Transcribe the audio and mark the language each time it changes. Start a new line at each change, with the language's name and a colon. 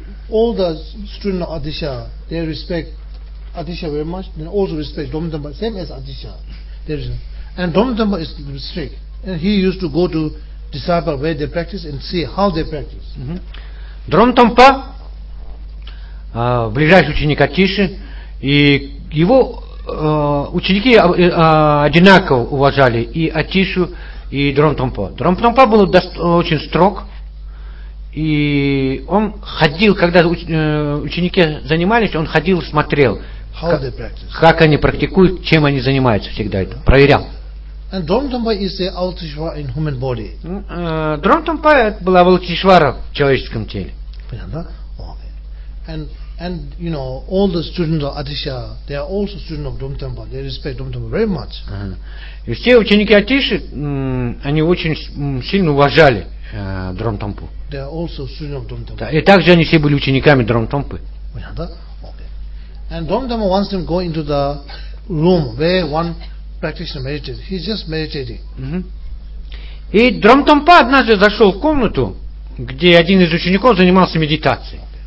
English: All the students of Adisha, they respect Adisha very much. They also respect Dom Tenpa, same as Adisha. And Dom Tenpa is strict, and he used to go to disciple where they practice and see how they practice.
Russian: Дром Тампа, ближайший ученик Атиши, и его ученики одинаково уважали и Атишу, и Дром Тампа. Дром Тампа был очень строг. И он ходил, когда ученики занимались, он ходил, смотрел, как они практикуют, чем они занимаются всегда, это проверял.
English: And Dom Tenpa is the Avalokiteshvara in human body.
Russian: Дром Тенпа была Авалокитешвара в человеческом теле. Понятно?
English: And you know, all the students of Atisha, they are also students of Dom Tenpa. They respect Dom Tenpa very much.
Russian: И все ученики Атиши, они очень сильно уважали Дром Тампу.
English: They are also students of Dom Tenpa.
Russian: И также они все были учениками Дром Тампы. Понятно? Okay.
English: And Dom Tenpa wants them go into the room where one practitioner meditates. He's just meditating.
Russian: И Дром Тампа однажды зашел в комнату, где один из учеников занимался медитацией.